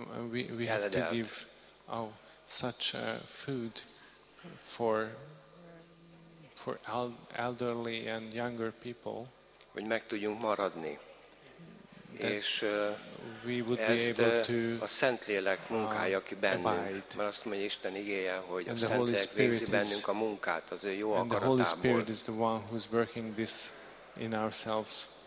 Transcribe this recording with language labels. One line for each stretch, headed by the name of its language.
English: We have to give such food for elderly and younger people.
Hungarian: Hogy meg tudjunk maradni. És
English: we would be able to
Hungarian: a Szentlélek munkája ki bennünk, mert azt mondja Isten igéje, hogy a Szentlélek végzi bennünk a munkát, az ő jó akaratából.
English: And the Holy Spirit is the one who's working this in ourselves.